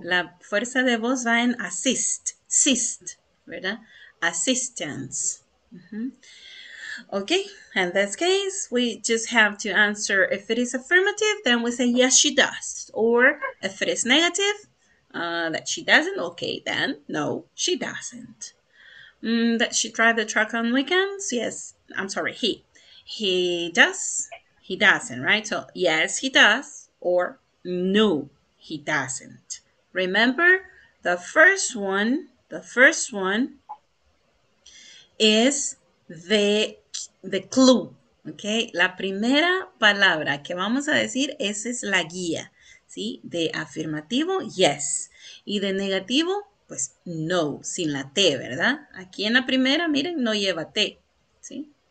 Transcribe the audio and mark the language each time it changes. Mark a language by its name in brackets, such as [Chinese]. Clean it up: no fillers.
[Spanish] La fuerza de voz va en assist, ¿verdad? Assistance. Mm-hmm. [English] Okay, in this case, we just have to answer if it is affirmative, then we say yes, she does. Or if it is negative, that she doesn't, okay, then no, she doesn't. That she drive the truck on weekends? Yes, I'm sorry, he. He does, he doesn't, right? So yes, he does, or no, he doesn't. Remember, the first one is the clue, okay? [Spanish] La primera palabra que vamos a decir, esa es la guía, ¿sí? De afirmativo, yes. Y de negativo, pues no, sin la T, ¿verdad? Aquí en la primera, miren, no lleva T, ¿sí?